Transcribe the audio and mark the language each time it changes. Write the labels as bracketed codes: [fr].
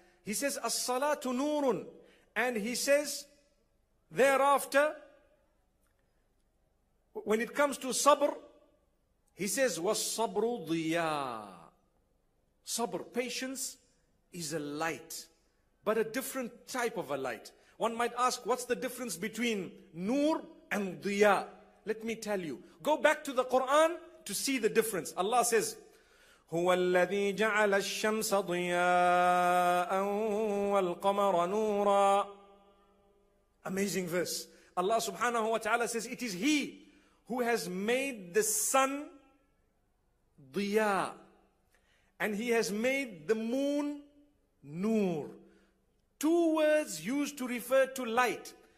[en] He says, [ar] As-salatu nurun. [en] And he says, thereafter, when it comes to sabr, he says, [ar] was-sabru diya. [en] Sabr, patience is a light, but a different type of a light. One might ask, what's the difference between nur and diya? Let me tell you. Go back to the Quran to see the difference. Allah says, [ar] هُوَ الَّذِي جَعَلَ الشَّمْسَ ضِيَاءً وَالْقَمَرَ نُورًا. [en] Amazing verse. Allah subhanahu wa ta'ala says, it is He who has made the sun ضِيَاء. And He has made the moon نُور. Two words used to refer to light.